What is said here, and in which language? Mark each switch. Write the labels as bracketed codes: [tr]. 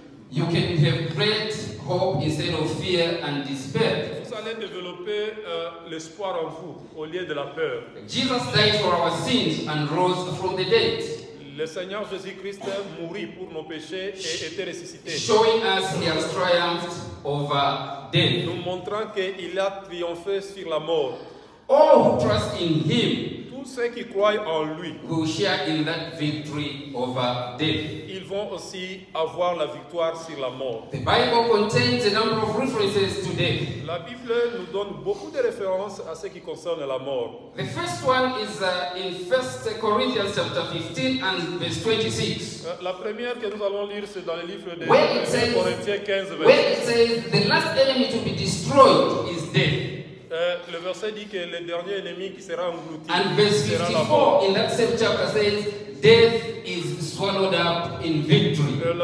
[en] you can have great hope instead of fear and despair. [fr] Vous allez développer l'espoir en vous au lieu de la peur. [en] Jesus died for our sins and rose from the dead. [fr] Le Seigneur Jésus-Christ mourut pour nos péchés et était ressuscité. [en] Showing us he has triumphed over death. [fr] Nous montrant qu'il a triomphé sur la mort. [en] All who trust in him. [fr] Tous ceux qui croient en lui. [en] Will share in that victory over death. [fr] Ils vont aussi avoir la victoire sur la mort. [en] The Bible contains a number of references to death. [fr] La Bible nous donne beaucoup de références à ce qui concerne la mort. [en] The first one is in 1 Corinthians chapter 15 and verse 26. [fr] La première que nous allons lire c'est dans le livre de Corinthiens 15. [en] Where it says the last enemy to be destroyed is death. [fr] Le verset dit que le dernier ennemi qui sera englouti. [en] And verse 54 in that same chapter says death is swallowed up in victory.